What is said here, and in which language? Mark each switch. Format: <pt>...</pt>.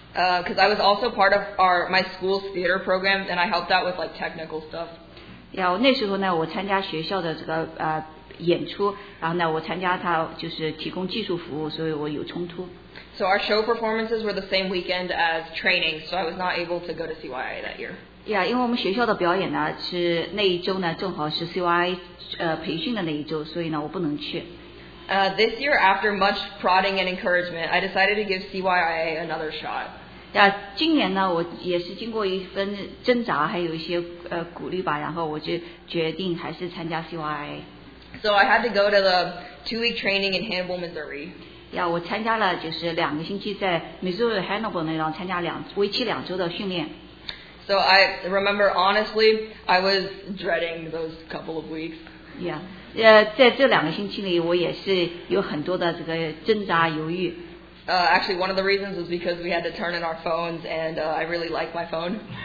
<en>Because I was also part of my school's theater program, and I helped out with like technical stuff.</en> <zh>Yeah, 那时候呢，我参加学校的这个 演出，然后呢，我参加他就是提供技术服务，所以我有冲突。</zh> <en>So our show performances were the same weekend as training, so I was not able to go to CYIA that year.</en> <zh>Yeah, 因为我们学校的表演呢，是那一周呢，正好是CYIA培训的那一周，所以呢，我不能去。</zh> <en>This year, after much prodding and encouragement, I decided to give CYIA another shot.</en> <zh>Yeah, 今年呢，我也是经过一番挣扎，还有一些鼓励吧，然后我就决定还是参加CYIA。</zh> <en>So I had to go to the 2-week training in Hannibal, Missouri.</en> <zh>Yeah, 我参加了就是2个星期在 Missouri Hannibal 那张参加为期2周的训练。</zh> <en>So I remember honestly, I was dreading those couple of weeks.</en> <zh>Yeah, 在这2个星期里，我也是有很多的这个挣扎犹豫。</zh> <en>Actually, one of the reasons was because we had to turn in our phones, and I really like my phone.</en>